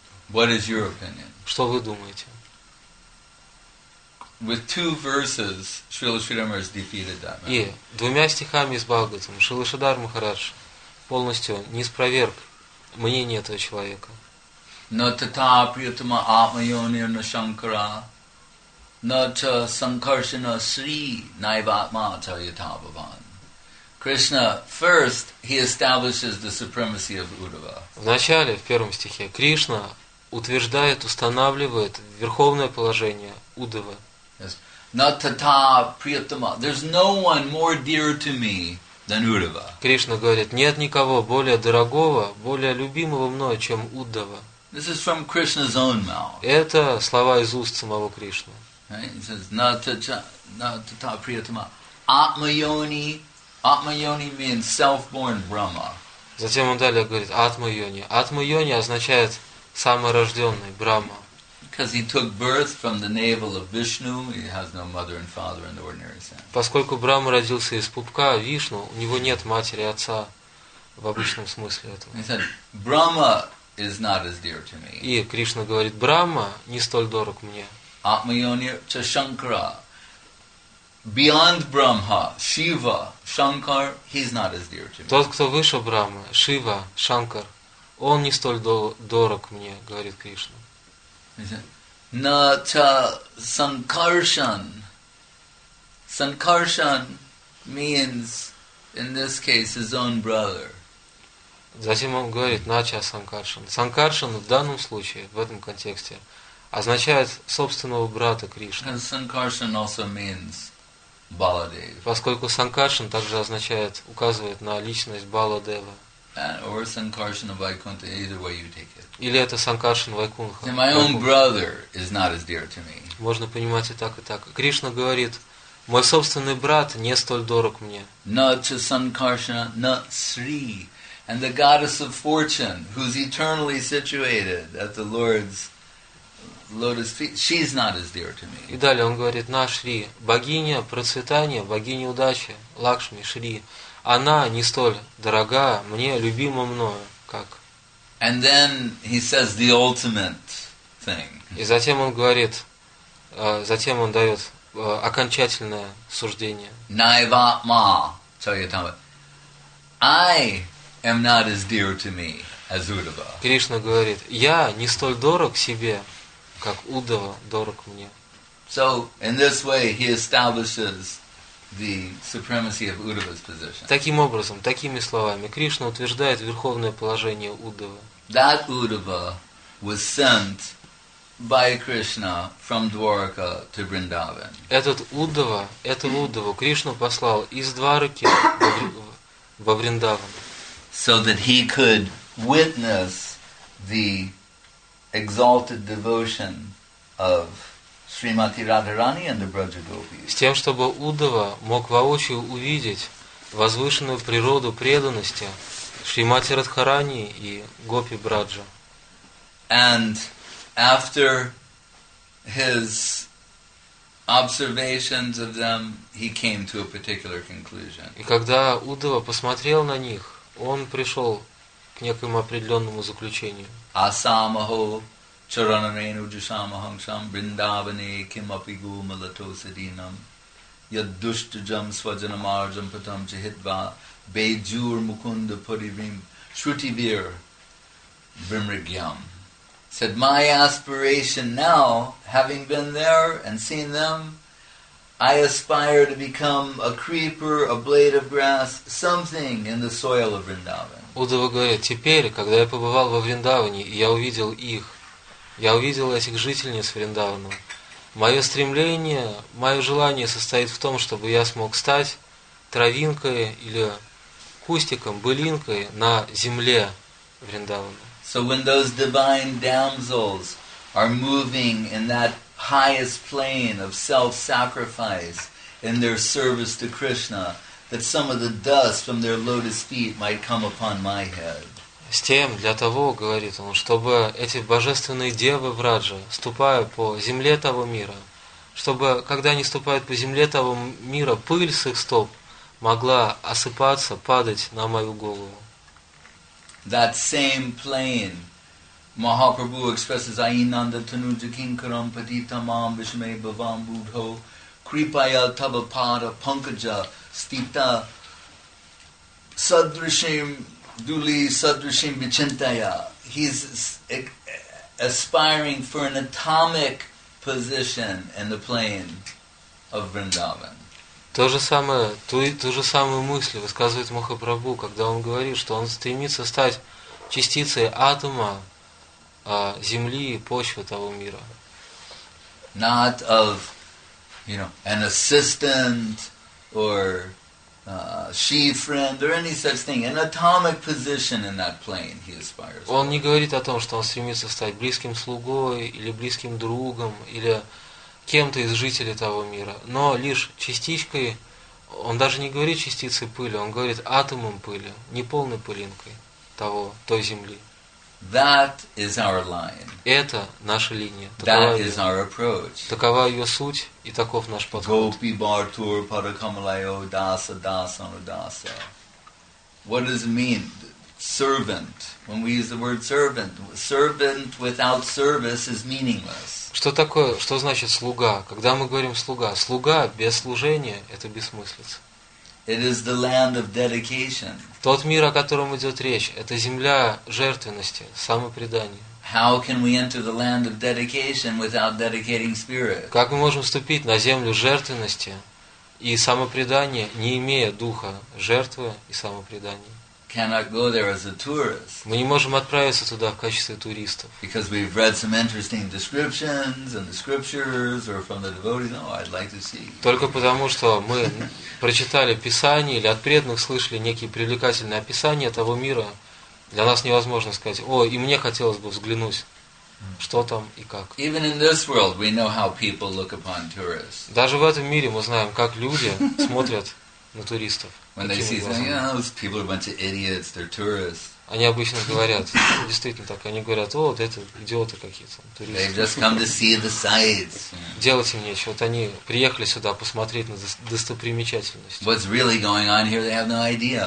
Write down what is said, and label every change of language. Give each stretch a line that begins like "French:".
English: What is your opinion?
Russian: Что вы думаете?
English: With two verses, Srila Sridhar Maharaj defeated that man.
Russian: И двумя стихами из Бхагаватам Шрила Шридхар Махарадж полностью не спроверг мнение этого человека.
Sanskrit: На тата приятма атмайонир на шанкара, на та санкаршина сри найватма тайятабаван.
English: Krishna, first, he establishes the supremacy of Uddhava.
Russian: Вначале, в первом стихе, Кришна утверждает, устанавливает верховное положение Уддхавы.
Sanskrit: Натата приятма.
English: There's no one more dear to me than Uddhava.
Russian: Кришна говорит: нет никого более дорогого, более любимого мною, чем Уддхава.
English: This is from Krishna's own mouth.
Russian: Это слова из уст самого Кришны.
English: Right? He says,
Sanskrit: Натата приятма. Атмайони.
English: Атмайони means self-born Brahma.
Russian: Затем он далее говорит: Атмайони. Атмайони означает саморожденный Брахма.
English: Because he took birth from the navel of Vishnu, he has no mother and father in the ordinary sense.
Russian: Поскольку Брахма родился из пупка Вишну, у него нет матери и отца в обычном смысле этого.
English: He said, Brahma is not as dear to me.
Russian: И Кришна говорит: Брахма не столь дорог мне.
Sanskrit: Atmayoni cha Shankara.
English: Beyond Brahma, Shiva, Shankar, he's not as dear to me.
Russian: Тот, кто выше Брахмы, Шива, Шанкар, он не столь дорог мне, говорит Кришна.
Sanskrit: На та
English: санкаршан. Санкаршан means in this case his own brother.
Russian: Затем он говорит нача санкаршан. Санкаршан в данном случае, в этом контексте, означает собственного брата Кришны.
English: And санкаршан also means Баладева.
Russian: Поскольку санкаршан также означает, указывает на личность Баладева.
English: Or санкаршан Вайкунта, either way you take it.
Russian: Или это санкаршан Вайкунха.
English: My own brother is not as dear to me.
Russian: Можно понимать и так, и так. Кришна говорит: мой собственный брат не столь дорог мне.
English: Not to санкаршан, not Sri. And the goddess of fortune, who's eternally situated at the Lord's lotus feet, she's not as dear to me.
Russian: И далее он говорит: на Шри, богиня процветания, богиня удачи, Лакшми Шри, она не столь дорога мне, любима мною, как.
English: And then he says the ultimate thing.
Russian: И затем он говорит, затем он дает окончательное суждение.
Sanskrit: Наиватма, Чайотама.
English: I am not as dear to me as Uddhava.
Russian: Кришна говорит: я не столь дорог себе, как Уддхава дорог мне.
English: So in this way he establishes the supremacy of Uddhava's position.
Russian: Таким образом, такими словами, Кришна утверждает верховное положение Уддхавы.
English: That Uddhava was sent by Krishna from Dwarka to Vrindavan.
Russian: Этот Уддхава, эту Уддхаву Кришна послал из Двараки во Вриндаван.
English: So that he could witness the exalted devotion of Srimati Radharani and the Braja Gopis.
Russian: С тем, чтобы Уддхава мог воочию увидеть возвышенную природу преданности Шримати Радхарани и Гопи Браджа.
English: And after his observations of them, he came to a particular conclusion.
Russian: И когда Уддхава посмотрел на них, он пришел к некоему определенному заключению.
Sanskrit: Асамахо чаранарену джусамахам сам бриндаване кимапи гу малатосадинам яддуштаджам сваджанамарджам патам чахитва бейджур мукунда паривим шрутивир вимригьям.
English: Said, my aspiration now, having been there and seen them, I aspire to become a creeper, a blade of grass, something in the soil of Vrindavan.
Russian: Уддхава говорит: теперь, когда я побывал во Вриндаване, и я увидел их, я увидел этих жительниц Вриндавана, мое стремление, мое желание состоит в том, чтобы я смог стать травинкой или кустиком, былинкой на земле Вриндавана.
English: So when those divine damsels are moving in that highest plane of self-sacrifice in their service to Krishna, that some of the dust from their lotus feet might come upon my head.
Russian: С тем для того, говорит он, чтобы эти божественные девы Враджа, ступая по земле того мира, чтобы когда они ступают по земле того мира, пыль с их стоп могла осыпаться, падать на мою голову.
English: That same plane Mahaprabhu expresses
Sanskrit: Ainanda Tanuja Kinkaram Padita Mam Vishme Bhavam Budho Kripaya Tabapada Pankaja Stita Sadrishim Duli Sadrishim Vichintaya.
English: He's aspiring for an atomic position in the plane of Vrindavan.
Russian: То же самое, ту же самую мысль высказывает Махапрабху, когда он говорит, что он стремится стать частицей атома земли и почвы того мира.
English: Not of, you know, an assistant or she friend or any such thing. An atomic position in that plane he aspires.
Russian: Он не говорит о том, что он стремится стать близким слугой или близким другом или кем-то из жителей того мира, но лишь частичкой. Он даже не говорит частицей пыли, он говорит атомом пыли, неполной пылинкой того, той земли.
English: That is our line.
Russian: Это наша линия.
English: That is our approach.
Russian: Такова ее суть и таков наш подход.
Sanskrit: Gopi Bartur Parakamalayo Dasa Dasa Nudasa.
English: What does it mean? Servant. When we use the word servant, servant without service is meaningless.
Russian: Что такое, что значит слуга? Когда мы говорим слуга, слуга без служения – это бессмыслица.
English: It is the land of dedication.
Russian: Тот мир, о котором идет речь, это земля жертвенности, самопредания.
English: How can we enter the land of dedication without dedicating spirit?
Russian: Как мы можем вступить на землю жертвенности, И самопредание, не имея духа жертвы и самопредания,
English: cannot go there as a tourist.
Russian: Мы не можем отправиться туда в качестве туристов.
English: Because we've read some interesting descriptions in the scriptures or from the devotees. Oh, I'd like to see.
Russian: Только потому, что мы прочитали Писание или от преданных слышали некие привлекательные описания того мира, для нас невозможно сказать: «О, и мне хотелось бы взглянуть». Что там и как.
English: Even in this world we know how people look upon tourists.
Russian: Даже в этом мире мы знаем, как люди смотрят на туристов.
English: When they see them, you know, those people are a bunch of idiots, they're tourists.
Russian: Они обычно говорят, действительно так, они говорят: о, вот это идиоты какие-то, туристы.
English: They've just come to see the sights.
Russian: Делать им нечего. Вот они приехали сюда посмотреть на достопримечательности.
English: What's really going on here, they have no idea.